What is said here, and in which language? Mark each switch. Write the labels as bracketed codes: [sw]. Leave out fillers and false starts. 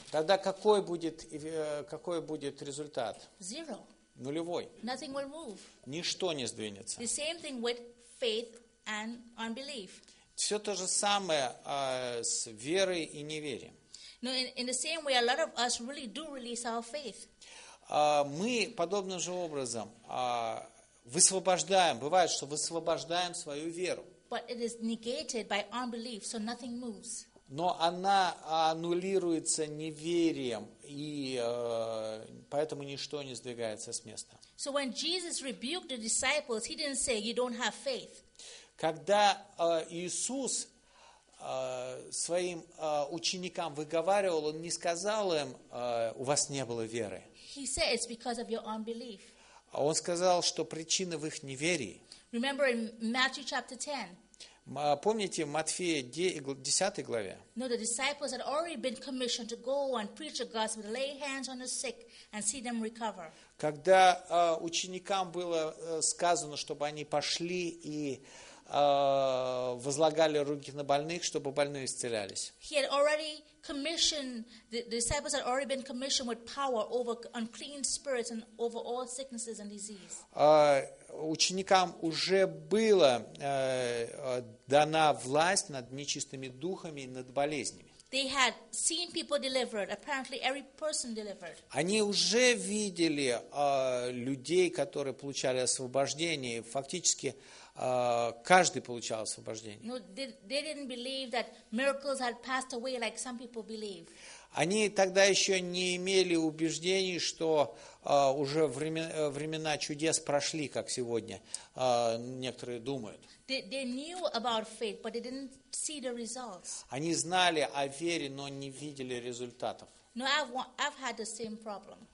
[ru] Тогда какой будет результат? [en] Zero. [ru] Нулевой. [en] Nothing will move. [ru] Ничто не сдвинется. [en] The same thing with faith and unbelief. [ru] Все то же самое с верой и неверием. [en] No, in the same way, a lot of us really do release our faith. [ru] Мы подобным же образом высвобождаем. Бывает, что высвобождаем свою веру. [en] But it is negated by unbelief, so nothing moves. [ru] Но она аннулируется неверием, и поэтому ничто не сдвигается с места. [en] So when Jesus rebuked the disciples, he didn't say, "You don't have faith." [ru] Когда Иисус своим ученикам выговаривал, он не сказал им, у вас не было веры. [en] He said it's because of your unbelief. [ru] Он сказал, что причина в их неверии. [en] Remember in Matthew chapter 10. [ru] Помните в Матфея 10 главе? [en] No, the disciples had already been commissioned to go and preach the gospel, lay hands on the sick and see them recover. [ru] Когда ученикам было сказано, чтобы они пошли и возлагали руки на больных, чтобы больные исцелялись. [en] He had already commissioned, the disciples had already been commissioned with power over unclean spirits and over all sicknesses and disease. [ru] Ученикам уже была дана власть над нечистыми духами и над болезнями. [en] They had seen people delivered, apparently every person delivered. [ru] Они уже видели людей, которые получали освобождение, фактически каждый получал освобождение. [en] No, they didn't believe that miracles had passed away like some people believe. [ru] Они тогда еще не имели убеждений, что уже времена чудес прошли, как сегодня некоторые думают. [en] They knew about faith, but they didn't see the results. [ru] Они знали о вере, но не видели результатов. [en] No, I've had the same problem.